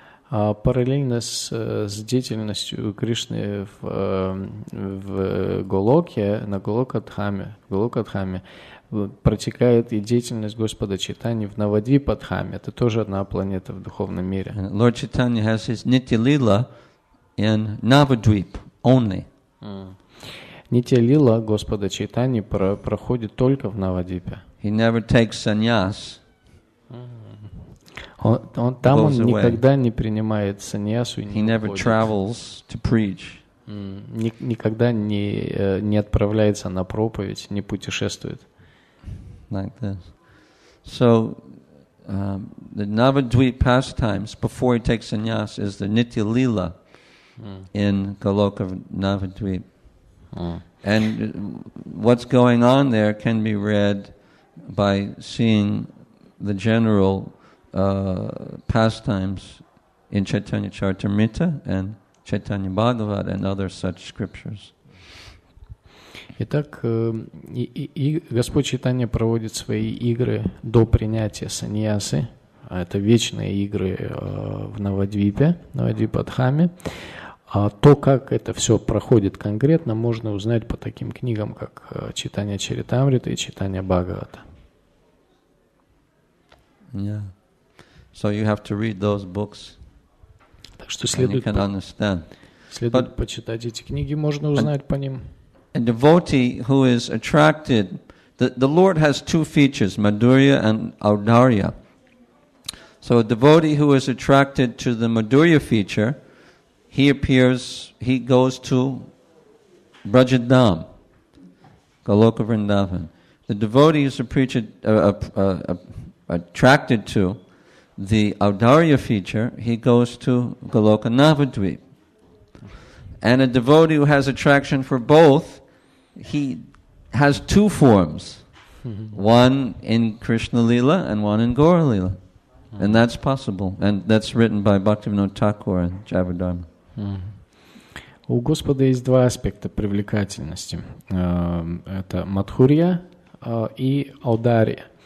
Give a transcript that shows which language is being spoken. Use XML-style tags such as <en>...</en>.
<ru>Параллельно с деятельностью Кришны в Голоке, на Голокадхаме протекает и деятельность Господа Чайтаньи в Навадвипадхаме. Это тоже одна планета в духовном мире.</ru> <en>And Lord Chaitanya has his Nityalila in Navadvip only.</en> <ru>Нитья-лила Господа Чайтаньи проходит только в Навадвипе.</ru> <en>He never takes sannyas.</en> <ru>Он там он никогда не принимает саньясу и не</ru> <en>He never travels to preach.</en> <ru>Никогда не отправляется на проповедь, не путешествует.</ru> <en>Like this. So the Navadvip pastimes before he takes sannyas is the Nitya Lila in Goloka Navadvip. And what's going on there can be read by seeing the general pastimes in Chaitanya Charitamrita and Chaitanya Bhagavat and other such scriptures.</en> <ru>Итак, и Господь Чайтанья проводит свои игры до принятия саньясы. Это вечные игры в Навадвипе, Навадвипадхаме. А то, как это все проходит конкретно, можно узнать по таким книгам, как Чайтанья Чаритамрита и Чайтанья Бхагавата.</ru> <en>Yeah. So you have to read those books.</en> <ru>Так что следует,</ru> <en>and you can understand.</en> <ru>Следует почитать эти книги, можно узнать по ним.</ru> <en>A devotee who is attracted, the Lord has two features, Madhurya and Audharya. So a devotee who is attracted to the Madhurya feature, he goes to Brajadham, Goloka Vrindavan. The devotee who is attracted to the Audharya feature, he goes to Goloka Navadvip. And a devotee who has attraction for both, he has two forms, one in Krishna Lila and one in Gaura Lila. And that's possible. And that's written by Bhaktivinoda Thakur and Javadharma.</en> <ru>У Господа есть два аспекта привлекательности. Это Мадхурья и Аударья.</ru>